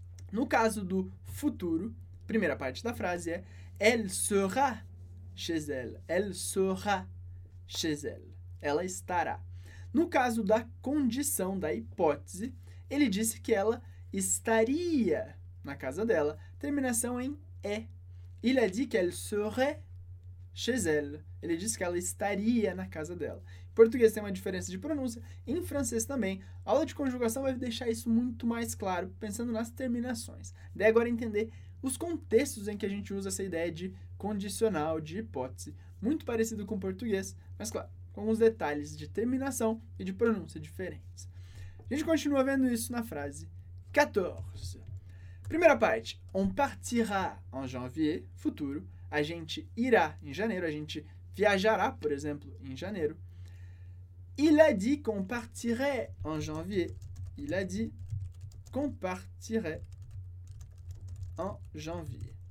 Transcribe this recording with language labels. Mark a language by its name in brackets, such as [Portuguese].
[Portuguese] No caso do futuro, primeira parte da frase é [French] elle sera chez elle. Elle sera chez elle. [Portuguese] Ela estará. No caso da condição, da hipótese, ele disse que ela estaria na casa dela. Terminação em é. [French] Il a dit qu'elle serait chez elle. [Portuguese] Ele disse que ela estaria na casa dela. Em português tem uma diferença de pronúncia, em francês também. A aula de conjugação vai deixar isso muito mais claro, pensando nas terminações. Daí agora entender os contextos em que a gente usa essa ideia de condicional, de hipótese. Muito parecido com o português, mas claro, com alguns detalhes de terminação e de pronúncia diferentes. A gente continua vendo isso na frase 14. Primeira parte, [French] on partira en janvier, [Portuguese] futuro. A gente irá em janeiro, a gente viajará, por exemplo, em janeiro. [French] Il a dit qu'on partirait en janvier. Il a dit qu'on partirait en janvier.